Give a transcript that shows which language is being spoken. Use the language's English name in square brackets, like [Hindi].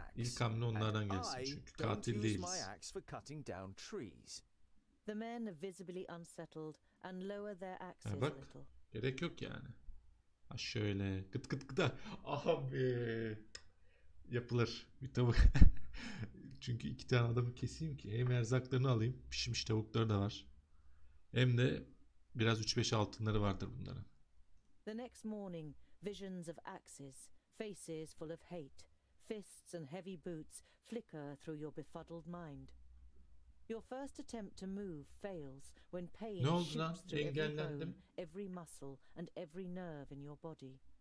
[Turkish] İlk hamle onlardan gelsin çünkü katil değiliz. [English] The men are visibly unsettled and lower their axes a little. [Turkish] Gerek yok yani. Ha şöyle. Gıt gıt gıt. Abi. Yapılır. Bir tavuk. Çünkü iki tane adamı keseyim ki hem erzaklarını alayım, pişmiş tavukları da var. Hem de biraz 3-5 altınları vardır bunların. [English] The next morning, visions of axes, faces full of hate, fists and heavy boots flicker through your befuddled mind. Your first attempt to move fails when pain shoots through every bone, every muscle and every nerve in your body.